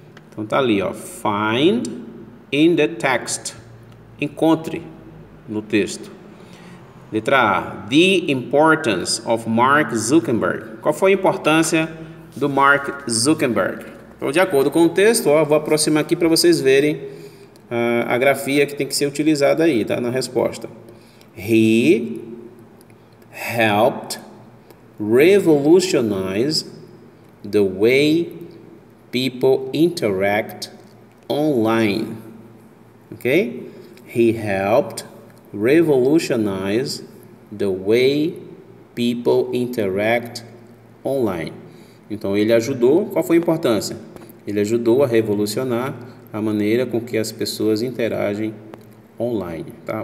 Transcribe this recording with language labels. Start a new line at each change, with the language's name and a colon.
Portuguese: Então tá ali, ó,
English: find in the text,
Portuguese: encontre no texto. Letra A,
English: the importance of Mark Zuckerberg.
Portuguese: Qual foi a importância do Mark Zuckerberg? Então, de acordo com o texto, ó, vou aproximar aqui para vocês verem a grafia que tem que ser utilizada aí, tá? Na resposta.
English: He helped revolutionize the way people interact online. Ok? He helped revolutionize the way people interact online.
Portuguese: Então, ele ajudou. Qual foi a importância? Ele ajudou a revolucionar a maneira com que as pessoas interagem online, tá?